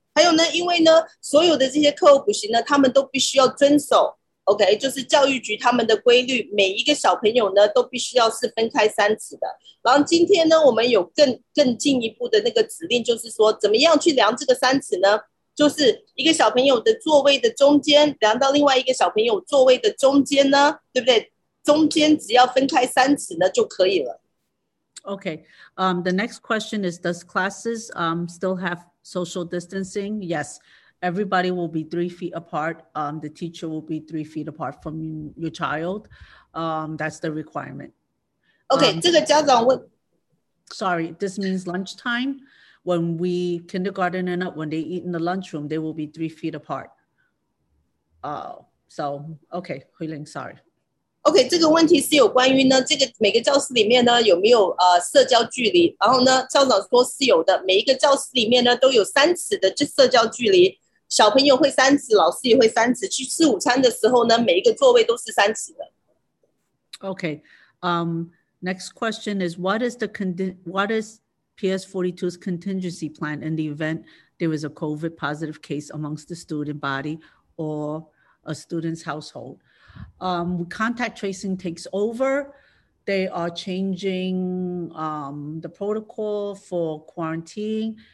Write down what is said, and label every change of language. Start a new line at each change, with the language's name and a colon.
Chinese: 还有呢，因为呢，所有的这些课后补习呢，他们都必须要遵守 ，OK， 就是教育局他们的规律，每一个小朋友呢都必须要是分开三次的。然后今天呢，我们有更进一步的那个指令，就是说怎么样去量这个三次呢？就是一个小朋友的座位的中间量到另外一个小朋友座位的中间呢，对不对？中间只要分开三次呢就可以了。
English: OK， the next question is: Does classes still have? Social distancing, yes. Everybody will be 3 feet apart. The teacher will be 3 feet apart from your child. That's the requirement. Okay, this
Chinese: 家长问
English: Sorry, this means lunchtime. When we kindergarten and up, when they eat in the lunchroom, they will be 3 feet apart. Okay, Hui Ling, sorry.
Chinese: Okay, 这个问题是有关于呢，这个每个教室里面呢有没有社交距离？然后呢，校长说是有的，每一个教室里面呢都有三尺的就社交距离，小朋友会三尺，老师也会三尺，去吃午餐的时候呢，每一个座位都是三尺的。
English: Okay, next question is what is PS42's contingency plan in the event there is a COVID positive case amongst the student body or a student's household? Contact tracing takes over. They are changing the protocol for quarantine.